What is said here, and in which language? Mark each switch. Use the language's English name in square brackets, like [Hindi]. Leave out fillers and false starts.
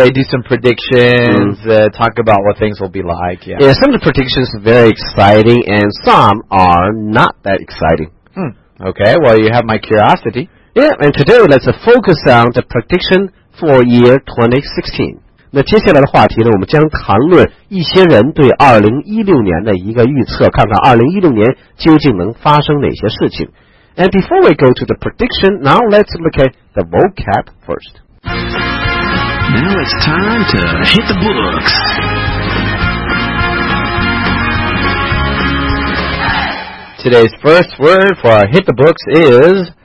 [English] They do some predictions, talk about what things will be like. Yeah. Yeah, some of the predictions are very exciting, and some are not that exciting. Okay, well, you have my curiosity. Yeah, and today let's focus on the prediction for year 2016. [Chinese] 那接下来的话题呢，我们将谈论一些人对2016年的一个预测，看看2016年究竟能发生哪些事情。 [English] And before we go to the prediction, now let's look at the vocab first. Now it's time to hit the books. Today's first word for hit the books is...